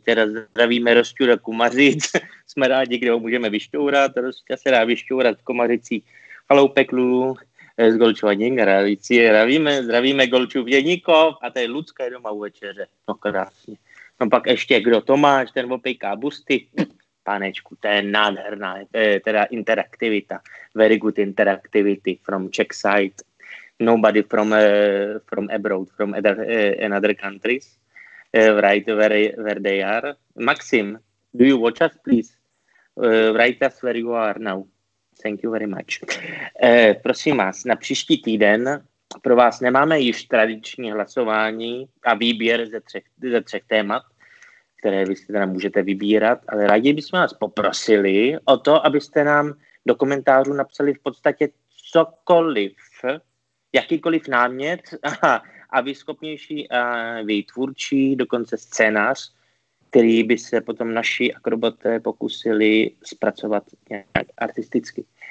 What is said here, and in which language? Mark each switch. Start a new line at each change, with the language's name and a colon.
Czech: Teda zdravíme Rozťura Kumařic, jsme rádi, kde ho můžeme vyšťourat. Rozťa se dá vyšťourat v Komařicí. Chaloupek Lulu z Golčova Děngara. Zdravíme Golčův Děníkov a to je Lucka je doma u večeře. No krásně. No pak ještě kdo Tomáš, ten opejká busty. Panečku, to je nádherná, teda interaktivita.
English: Very good interactivity from Czech side. Nobody from abroad, from another countries, right where they are. Maxim, do you watch us, please? Write us where you are now. Thank you very much.
Czech: Prosím vás, na příští týden pro vás nemáme již tradiční hlasování a výběr ze třech témat, které vy si teda můžete vybírat, ale rádi bychom vás poprosili o to, abyste nám do komentářů napsali v podstatě cokoliv, jakýkoliv námět a vy schopnější a vy tvůrčí, dokonce scénář, který by se potom naši akrobaté pokusili zpracovat nějak artisticky.